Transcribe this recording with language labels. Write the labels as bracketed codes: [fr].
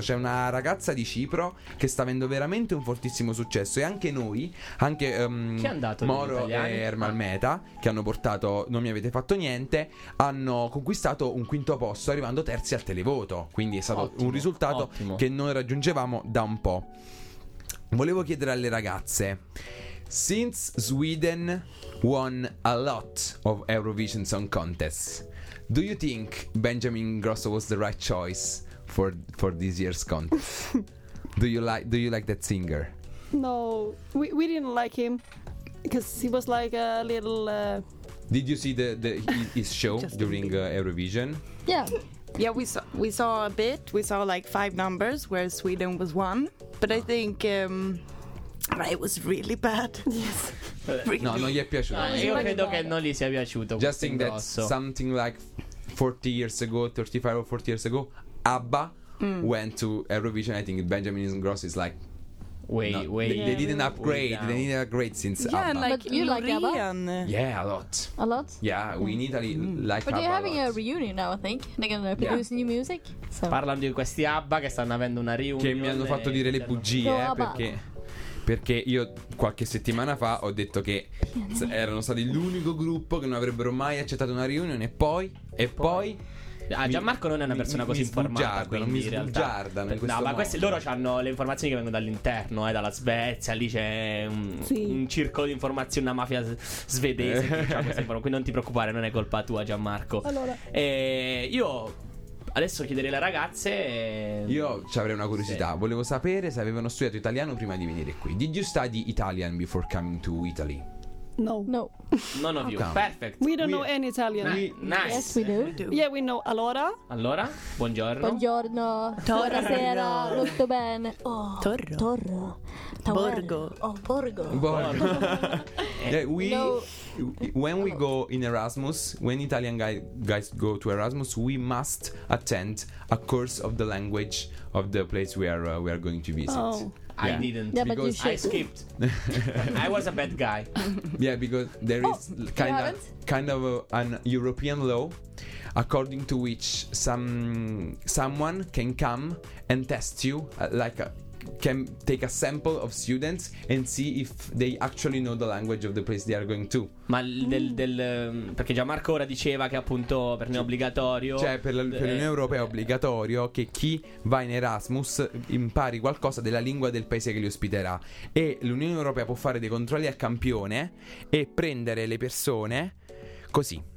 [it] C'è una ragazza di Cipro che sta avendo veramente un fortissimo successo. E anche noi, anche chi è andato, Moro e Ermal Meta, che hanno portato Non mi avete fatto niente, hanno conquistato un quinto posto, arrivando terzi al televoto. Quindi è stato ottimo, un risultato ottimo, che non raggiungevamo da un po'. Volevo chiedere alle ragazze: [en] since Sweden won a lot of Eurovision Song Contests, do you think Benjamin Ingrosso was the right choice for this year's contest? Do you like that singer? No, we didn't like him because he was like a little Did you see his show during Eurovision? Yeah, we saw a bit. We saw like five numbers where Sweden was one, but I think it was really bad. Yes. Really. [it] No, non gli è piaciuto. No, io credo che non gli sia piaciuto. [en] Just think that something like 40 years ago, 35 or 40 years ago, ABBA went to Eurovision. I think Benjamin Ingrosso is like They didn't upgrade since ABBA. Like, but you like ABBA? Yeah, a lot. A lot? Yeah, we in Italy like but But they're having a reunion now, I think. They're gonna produce new music. So. [it] Parlando di questi ABBA che stanno avendo una reunion. Che mi hanno fatto dire le bugie, perché io qualche settimana fa ho detto che erano stati l'unico gruppo che non avrebbero mai accettato una reunion. E poi Gianmarco non è una persona così informata, quindi mi sbugiardano in questo modo. No, ma questi loro hanno le informazioni che vengono dall'interno, dalla Svezia. Lì c'è un circolo di informazioni, una mafia svedese. Diciamo, quindi non ti preoccupare, non è colpa tua, Gianmarco. Allora, io adesso chiederei alle ragazze. Io ci avrei una curiosità. Sì. Volevo sapere se avevano studiato italiano prima di venire qui. [en] Did you study Italian before coming to Italy? No. None of you. Perfect. We don't know any Italian. Nice. Yes, we do. Yeah, we know. Allora. [it] Allora. Buongiorno. Buongiorno. Torno. Buonasera. Molto bene. Oh, Torro. Torro. Borgo. Oh, Borgo. Borgo. [en] Yeah, when we go in Erasmus, when Italian guys go to Erasmus, we must attend a course of the language of the place we are going to visit. Oh. Yeah. I didn't because I skipped. I was a bad guy. Yeah, because there is kind of an European law according to which someone can come and test you, can take a sample of students and see if they actually know the language of the place they are going to. [it] Ma perché Gianmarco ora diceva che appunto per noi è obbligatorio. Cioè per l'Unione Europea è obbligatorio che chi va in Erasmus impari qualcosa della lingua del paese che li ospiterà. E l'Unione Europea può fare dei controlli a campione e prendere le persone così.